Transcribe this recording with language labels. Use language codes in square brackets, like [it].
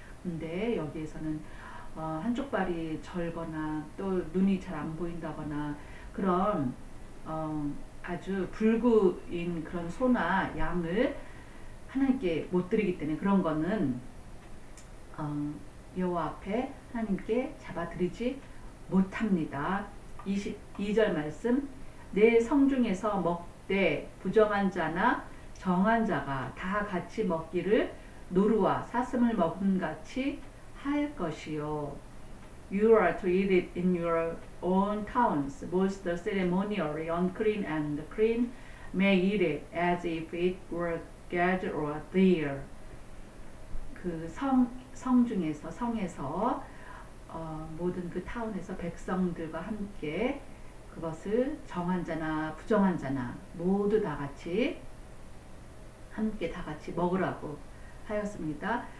[ko] 근데 여기에서는 한쪽 발이 절거나 또 눈이 잘 안 보인다거나 그런 아주 불구인 그런 소나 양을 하나님께 못 드리기 때문에 그런 거는 여호와 앞에 하나님께 잡아드리지 못합니다. 22절 말씀 내 성 중에서 먹되 부정한 자나 정한 자가 다 같이 먹기를 노루와 사슴을 먹은 같이 할 것이요. [en] You are to eat it in your own towns, both the ceremonially unclean and the clean may eat it as if it were gathered or there. [ko] 그 성 중에서 성에서 모든 그 타운에서 백성들과 함께 그것을 정한 자나 부정한 자나 모두 다 같이 함께 다 같이 먹으라고 하였습니다.